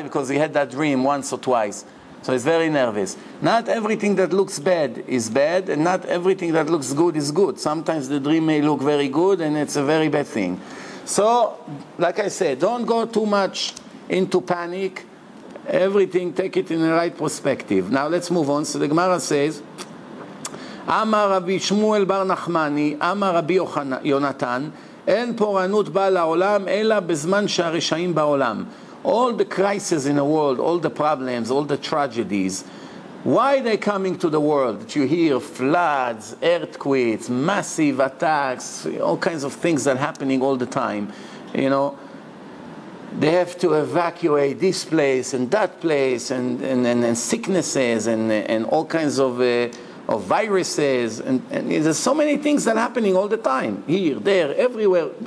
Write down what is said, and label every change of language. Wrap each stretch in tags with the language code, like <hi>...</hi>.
<en>Because he had that dream once or twice. So he's very nervous. Not everything that looks bad is bad, and not everything that looks good is good. Sometimes the dream may look very good, and it's a very bad thing. So, like I said, don't go too much into panic. Everything, take it in the right perspective. Now let's move on. So the Gemara says,</en> <he>אמר רבי שמואל בר נחמני, אמר רבי יונתן, אין פורענות באה לעולם, אלא בזמן שהרשעים בעולם.</he> <en>All the crises in the world, all the problems, all the tragedies, why they coming to the world? You hear floods, earthquakes, massive attacks, all kinds of things that happening all the time. You know, they have to evacuate this place and that place and sicknesses and all kinds of viruses, and there's so many things that are happening all the time, here, there, everywhere.</en>